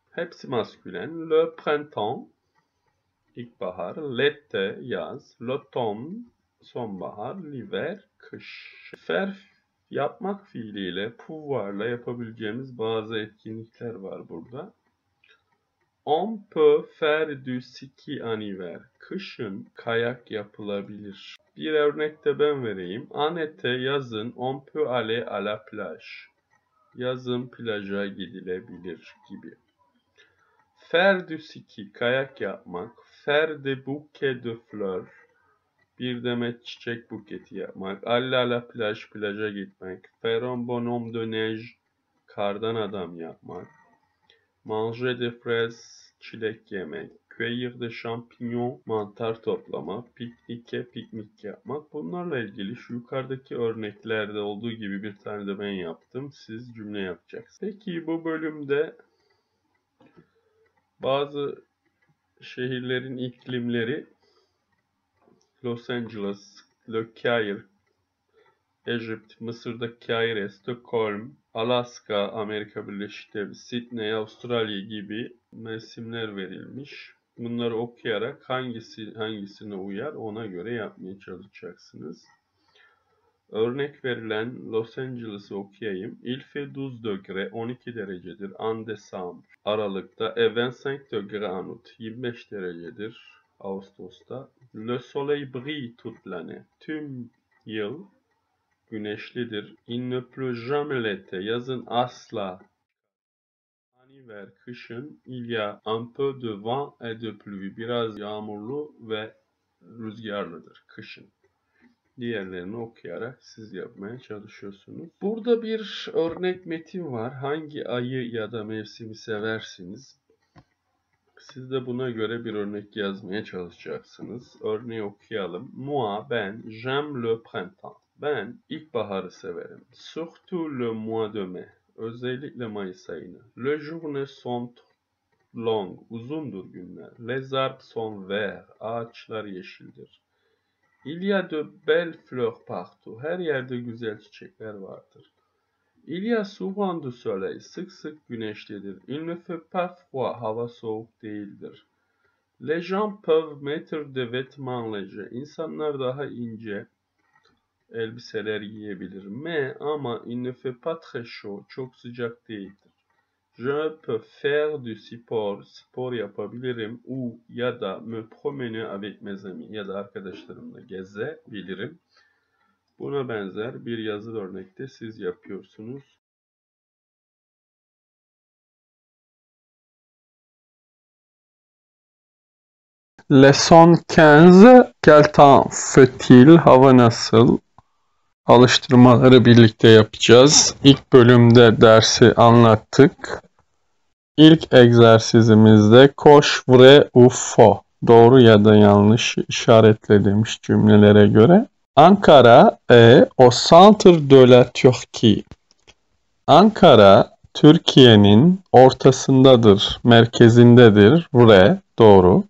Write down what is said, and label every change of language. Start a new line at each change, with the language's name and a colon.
Turkish: Hepsi maskülen. Le printemps, İlkbahar, l'été, yaz, l'automne, sonbahar, l'hiver, kış. Faire, yapmak fiiliyle, pouvoir'la yapabileceğimiz bazı etkinlikler var burada.
French: On peut faire du ski en hiver.
Turkish: Kışın kayak yapılabilir. Bir örnek de ben vereyim.
French: En été, yazın, on peut aller à la plage.
Turkish: Yazın plaja gidilebilir gibi.
French: Faire du ski,
Turkish: kayak yapmak.
French: Faire des bouquets de fleurs,
Turkish: bir demet çiçek buketi yapmak.
French: Aller à la plage,
Turkish: plaja gitmek.
French: Faire un bonhomme de neige,
Turkish: kardan adam yapmak.
French: Manger des fraises,
Turkish: çilek yemek.
French: Cueillir de champignon,
Turkish: mantar toplama. Piknike, piknik yapmak. Bunlarla ilgili şu yukarıdaki örneklerde olduğu gibi bir tane de ben yaptım. Siz cümle yapacaksınız. Peki bu bölümde bazı şehirlerin iklimleri Los Angeles, Le Caire, Egypt, Mısır'da Kaire, Stockholm, Alaska, Amerika Birleşik Devleti, Sydney, Avustralya gibi mevsimler verilmiş. Bunları okuyarak hangisi hangisine uyar ona göre yapmaya çalışacaksınız. Örnek verilen Los Angeles'ı okuyayım.
French: Il fait 12 degré,
Turkish: 12 derecedir.
French: En décembre, Aralık'ta. Et 25 degré en août,
Turkish: 25 derecedir.
French: Ağustos'ta. Le soleil brille toute l'année,
Turkish: tüm yıl güneşlidir.
French: Il ne pleut jamais l'été,
Turkish: yazın asla.
French: En hiver, kışın. Il y a un peu de vent et de pluie,
Turkish: biraz yağmurlu ve rüzgarlıdır kışın. Diğerlerini okuyarak siz yapmaya çalışıyorsunuz. Burada bir örnek metin var. Hangi ayı ya da mevsimi seversiniz? Siz de buna göre bir örnek yazmaya çalışacaksınız. Örneği okuyalım.
French: Moi, ben, j'aime le printemps.
Turkish: Ben ilkbaharı severim.
French: Surtout le mois de mai.
Turkish: Özellikle Mayıs ayını.
French: Le journée sont longues.
Turkish: Uzundur günler.
French: Les arbres sont verts.
Turkish: Ağaçlar yeşildir.
French: Il y a de belles fleurs partout.
Turkish: Her yerde güzel çiçekler vardır.
French: Il y a souvent du soleil.
Turkish: Sık sık güneşlidir.
French: Il ne fait pas froid.
Turkish: Hava soğuk değildir.
French: Les gens peuvent mettre des vêtements légers.
Turkish: İnsanlar daha ince elbiseler giyebilir.
French: Mais ama il ne fait pas très chaud.
Turkish: Çok sıcak değildir.
French: Je peux faire du sport,
Turkish: spor yapabilirim,
French: ou ya da me promener avec mes amis,
Turkish: ya da arkadaşlarımla gezebilirim. Buna benzer bir yazı örnekte siz yapıyorsunuz.
French: Leçon 15, quel temps fait-il,
Turkish: hava nasıl? Alıştırmaları birlikte yapacağız. İlk bölümde dersi anlattık. İlk egzersizimizde koş, vre, ufo, doğru ya da yanlış işaretlediğimiz cümlelere göre.
French: Ankara, au centre de la Turquie.
Turkish: Ankara, Türkiye'nin ortasındadır, merkezindedir, vre, doğru.